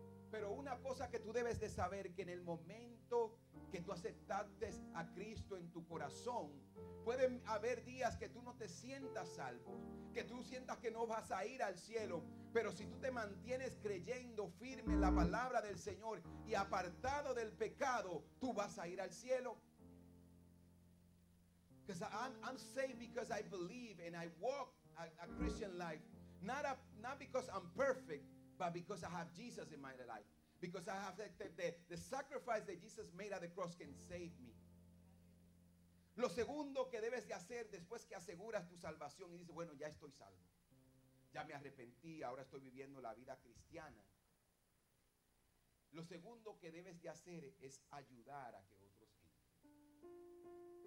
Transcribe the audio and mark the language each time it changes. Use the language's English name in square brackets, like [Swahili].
[Spanish] Pero una cosa que tú debes de saber, que en el momento que tú aceptaste a Cristo en tu corazón, pueden haber días que tú no te sientas salvo, que tú sientas que no vas a ir al cielo. Pero si tú te mantienes creyendo firme en la palabra del Señor y apartado del pecado, tú vas a ir al cielo. [English] Because I'm saved because I believe and I walk a Christian life, not because I'm perfect, but because I have Jesus in my life. Because I have the sacrifice that Jesus made at the cross can save me. [Spanish] Lo segundo que debes de hacer después que aseguras tu salvación y dices, bueno, ya estoy salvo, ya me arrepentí, ahora estoy viviendo la vida cristiana. Lo segundo que debes de hacer es ayudar a que otros entren.